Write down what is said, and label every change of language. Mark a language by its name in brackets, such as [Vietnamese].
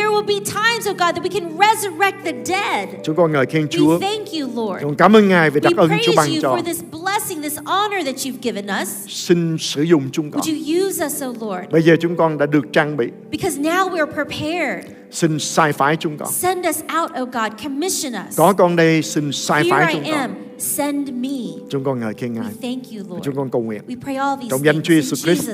[English] will be times, oh God, that we can resurrect the dead. [Vietnamese] Chúng con ngợi khen Chúa. [English] We thank you, Lord. [Vietnamese] Chúng cảm ơn Ngài vì đặc ân Chúa ban cho. [English] We praise you for this blessing, this honor that you've given us. [Vietnamese] Xin sử dụng chúng con. [English] Would you use us, oh Lord? [Vietnamese] Bây giờ chúng con đã được trang bị. [English] Because now we are prepared. [Vietnamese] Xin sai phái chúng con. [English] Send us out, oh God, commission us. [Vietnamese] Có con đây, xin sai phái chúng con. [English] Here I am. Send me. [Vietnamese] Chúng con ngợi khen Ngài. [English] We thank you, Lord. [Vietnamese] Chúng con cầu nguyện. [English] We pray all these [Vietnamese] trong danh Chúa Jesus [English] Christ.